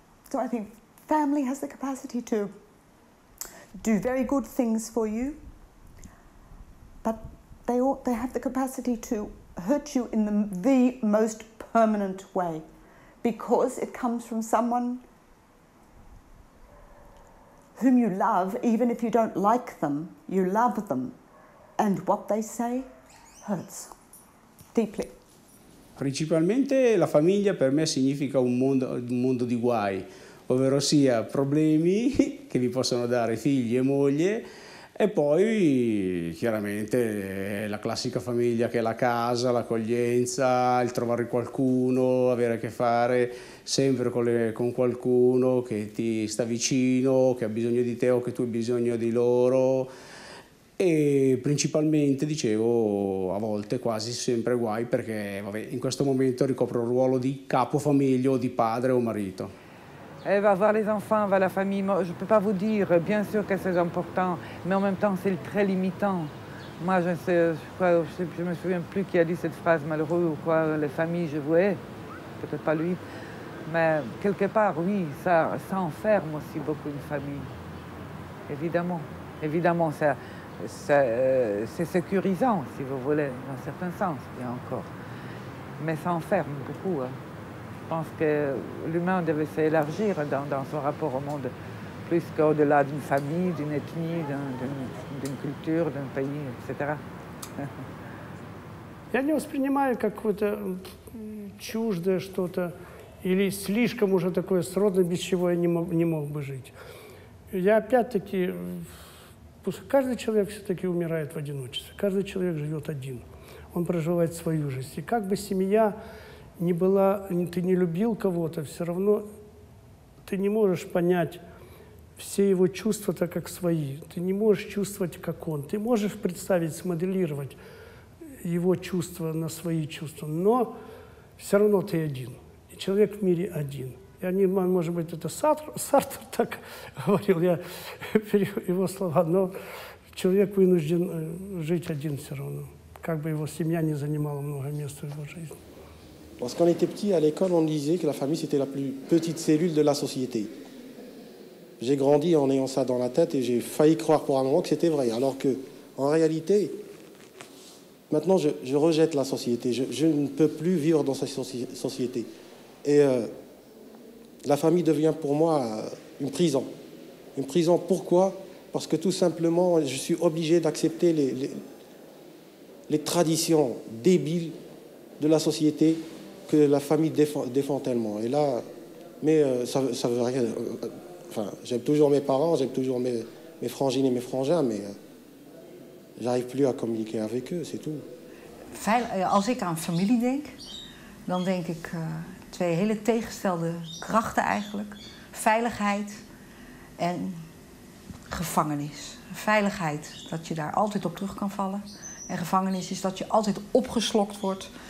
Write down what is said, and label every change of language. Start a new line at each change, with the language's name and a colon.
English: So I think family has the capacity to do very good things for you, but they have the capacity to hurt you in the most permanent way because it comes from someone whom you love, even if you don't like them, you love them. And what they say hurts deeply.
Italian: Principalmente la famiglia per me significa un mondo di guai, ovvero sia problemi che mi possono dare figli e moglie e poi chiaramente la classica famiglia che è la casa, l'accoglienza, il trovare qualcuno, avere a che fare sempre con qualcuno che ti sta vicino, che ha bisogno di te o che tu hai bisogno di loro. E principalmente, dicevo, a volte quasi sempre guai perché vabbè, in questo momento ricopro il ruolo di capo famiglia o di padre o marito.
French: Eh, va avoir les enfants, va la famille, moi, je peux pas vous dire, bien sûr que c'est important, mais en même temps c'est très limitant. Moi je sais, je me souviens plus qui a dit cette phrase malheureuse ou quoi, les familles je voulais, peut-être pas lui, mais quelque part oui, ça enferme aussi beaucoup une famille, évidemment ça... C'est sécurisant, si vous voulez, dans certains sens, bien encore. Mais ça enferme beaucoup. Hein. Je pense que l'humain devait s'élargir dans son rapport au monde, plus qu'au-delà d'une famille, d'une ethnie, d'une culture, d'un pays, etc.
Russian: Я не воспринимаю какое-то чуждое что-то, или слишком уже такое сродное, без чего я не мог бы жить. Я опять-таки... Каждый человек все-таки умирает в одиночестве. Каждый человек живет один. Он проживает свою жизнь. И как бы семья ни была, ты не любил кого-то, все равно ты не можешь понять все его чувства так, как свои. Ты не можешь чувствовать, как он. Ты можешь представить, смоделировать его чувства на свои чувства, но все равно ты один. И человек в мире один. Я не знаю, может быть, это Сартр так говорил, я перевел его слова, но человек вынужден жить один все равно, как бы его семья не занимала много места в его жизни.
French: Lorsqu'on était petit à l'école, on disait que la famille, c'était la plus petite cellule de la société. J'ai grandi en ayant ça dans la tête et j'ai failli croire pour un moment que c'était vrai, alors que, en réalité, maintenant, je rejette la société, je ne peux plus vivre dans cette société. Et... La famille devient pour moi une prison. Une prison, pourquoi? Parce que tout simplement, je suis obligé d'accepter les traditions débiles de la société que la famille défend tellement. Et là, mais ça veut rien... Enfin, j'aime toujours mes parents, j'aime toujours mes frangines et mes frangins, mais j'arrive plus à communiquer avec eux, c'est tout.
Dutch: Als ik aan familie denk, dan denk ik... Twee hele tegengestelde krachten eigenlijk. Veiligheid en gevangenis. Veiligheid, dat je daar altijd op terug kan vallen. En gevangenis is dat je altijd opgeslokt wordt...